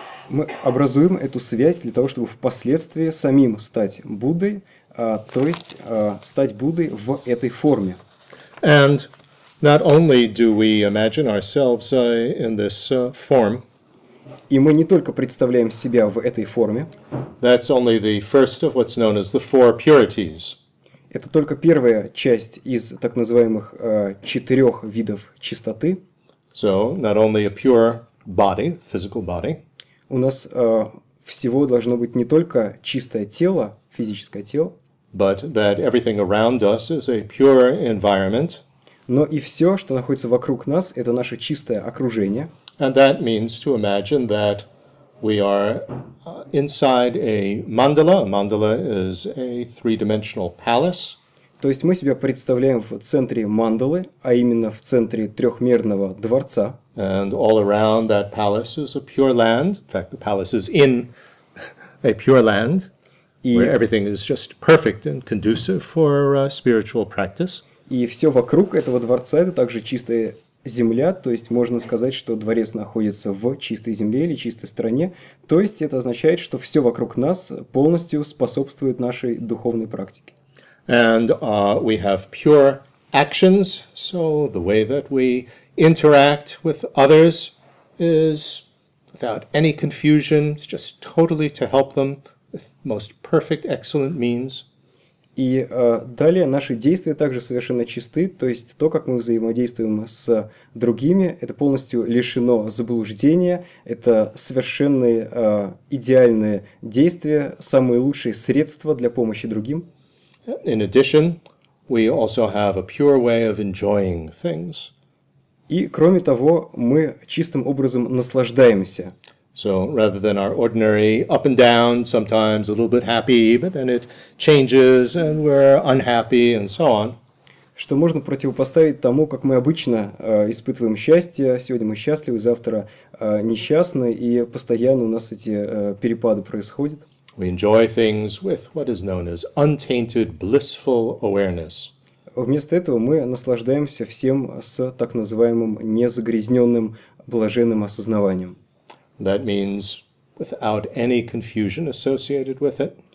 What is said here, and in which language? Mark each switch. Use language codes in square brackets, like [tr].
[ru] Мы образуем эту связь для того, чтобы впоследствии самим стать Буддой, то есть стать Буддой в этой форме. [en] And not only do we imagine ourselves in this form. [ru] И мы не только представляем себя в этой форме. [en] That's only the first of what's known as the four purities. [ru] Это только первая часть из так называемых четырех видов чистоты. [en] So, not only a pure body, physical body. [ru] У нас всего должно быть не только чистое тело, физическое тело, [en] but that everything around us is a pure environment. [ru] Но и все, что находится вокруг нас, это наше чистое окружение. [en] And that means to imagine that we are inside a mandala. A mandala is a three-dimensional palace. [ru] То есть мы себя представляем в центре мандалы, а именно в центре трехмерного дворца. [en] And all around that palace is a pure land. In fact, the palace is in a pure land, where everything is just perfect and conducive for spiritual practice. [ru] И все вокруг этого дворца — это также чистая земля, то есть можно сказать, что дворец находится в чистой земле или чистой стране. То есть это означает, что все вокруг нас полностью способствует нашей духовной практике. [en] And we have pure actions, so the way that we interact with others is without any confusion, it's just totally to help them with most perfect, excellent means. [ru] И далее наши действия также совершенно чисты, то есть то, как мы взаимодействуем с другими, это полностью лишено заблуждения, это совершенные идеальные действия, самые лучшие средства для помощи другим. [en] In addition, we also have a pure way of enjoying things. [ru] И кроме того, мы чистым образом наслаждаемся. [en] So rather than our ordinary up and down, sometimes a little bit happy, but then it changes and we're unhappy and so on. [ru] Что можно противопоставить тому, как мы обычно испытываем счастье, сегодня мы счастливы, завтра несчастны, и постоянно у нас эти перепады происходят. [en] We enjoy things with what is known as untainted blissful awareness. [ru] Вместо этого мы наслаждаемся всем с так называемым незагрязненным блаженным осознаванием. [en] That means without any confusion associated with it.